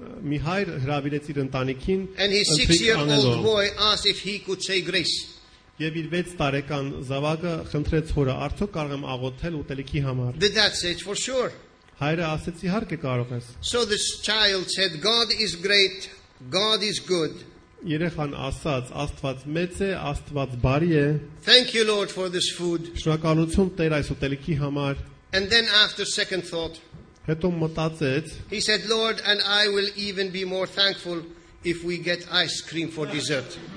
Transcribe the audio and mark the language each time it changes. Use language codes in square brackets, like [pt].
[hy] Մի հայր հրավիրեց իր ընտանիքին։ [en] And his 6-year-old boy asked if he could say grace. [hy] Եվ իր 6 տարեկան զավակը խնդրեց հորը, արդյոք կարող եմ աղոթել ուտելիքի համար։ [en] The dad said, for sure. [hy] Հայրը ասեց, իհարկե կարող ես։ [en] So this child said, God is great, God is good. [hy] Երեխան ասաց, Աստված մեծ է, Աստված բարի է։ [en] Thank you Lord for this food. [hy] Շնորհակալություն Տեր այս ուտելիքի համար։ [en] And then after second thought, [hy] հետո մտածեց, [en] he said, Lord, and I will even be more thankful if we get ice cream for dessert.